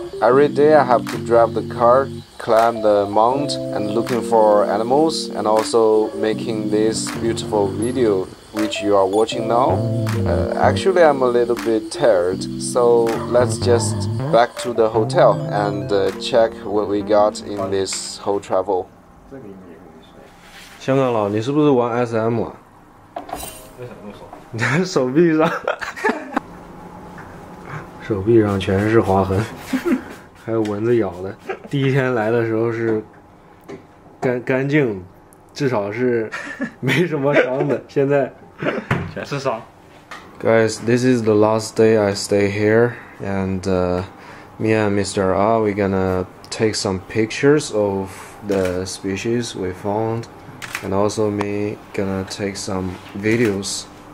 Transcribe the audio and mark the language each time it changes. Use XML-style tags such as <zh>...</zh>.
<en>Every day I have to drive the car, climb the mount and looking for animals and also making this beautiful video which you are watching now. Actually I'm a little bit tired, so let's just back to the hotel and check what we got in this whole travel.</en> <zh>香港佬，你是不是玩 SM 啊？为什么用手？你的手臂上手臂上全是划痕，还有蚊子咬的。第一天来的时候是干净，至少是没什么伤的。现在全是伤。</zh> <en>Guys, this is the last day I stay here, and me and Mr. R, we're gonna take some pictures of the species we found, and also me gonna take some videos.</en>